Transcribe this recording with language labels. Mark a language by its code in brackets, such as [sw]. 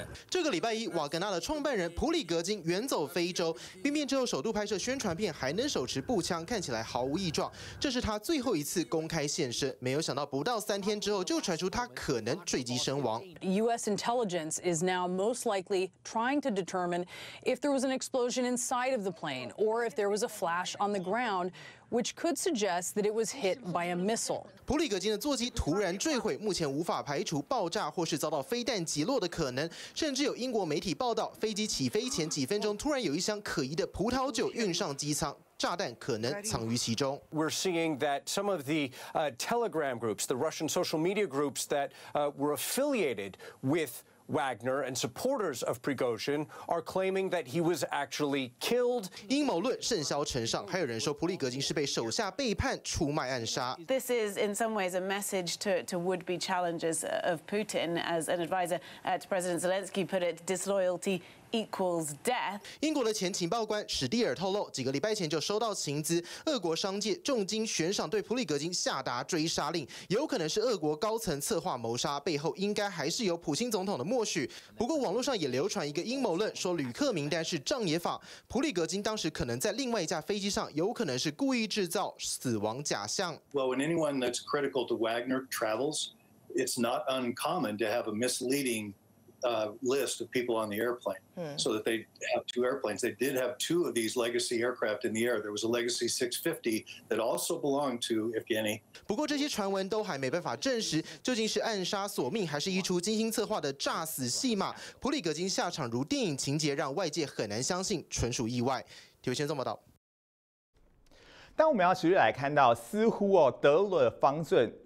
[zh] 这个礼拜一，瓦格纳的创办人普里戈金远走非洲，毕业之后首度拍摄宣传片，还能手持步枪，看起来毫无异状。这是他最后一次公开现身，没有想到不到3天之后就传出他可能坠机身亡。 [en] U.S. intelligence is now most likely trying to determine if there was an explosion inside of the plane or if there was a flash on the ground. Which could suggest that it was hit by a missile. [zh] 普里戈金的座机突然坠毁，目前无法排除爆炸或是遭到飞弹击落的可能。甚至有英国媒体报道，飞机起飞前几分钟，突然有一箱可疑的葡萄酒运上机舱。炸弹可能藏于其中。 [en] We're seeing that some of the Telegram groups, the Russian social media groups that were affiliated with Wagner and supporters of Prigozhin are claiming that he was actually killed. [zh] 阴谋论甚嚣尘上，还有人说普里戈金是被手下背叛出卖暗杀。 [en] This is in some ways a message to would-be challengers of Putin, as an advisor to President Zelensky put it, disloyalty. Equals death. [zh] 英国的前情报官史蒂尔透露，几个礼拜前就收到情资，俄国商界重金悬赏对普里戈金下达追杀令，有可能是俄国高层策划谋杀，背后应该还是有普京总统的默许。不过网络上也流传一个阴谋论，说旅客名单是障眼法，普里戈金当时可能在另外一架飞机上，有可能是故意制造死亡假象。 [en] Well, when anyone that's critical to Wagner travels, it's not uncommon to have a misleading. List of people on the airplane, so that they have two airplanes. They did have two of these legacy aircraft in the air. There was a legacy 650 that also belonged to Evgeny. [zh] 不过这些传闻都还没办法证实，究竟是暗杀索命，还是一出精心策划的炸死戏码？普里戈金下场如电影情节，让外界很难相信，纯属意外。刘先生报道。但我们要持续来看到，似乎德勒方阵